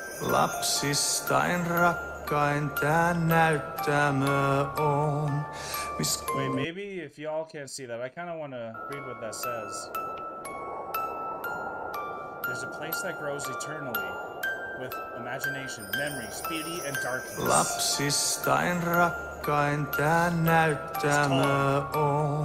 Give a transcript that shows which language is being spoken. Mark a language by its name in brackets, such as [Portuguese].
[Finnish] Lapsistain rakkain tää näyttämö on. [English] Wait, maybe if y'all can't see that, I kind of want to read what that says. There's a place that grows eternally with imagination, memories, beauty, and darkness. [Finnish] Lapsistain rakkain tää näyttämö on.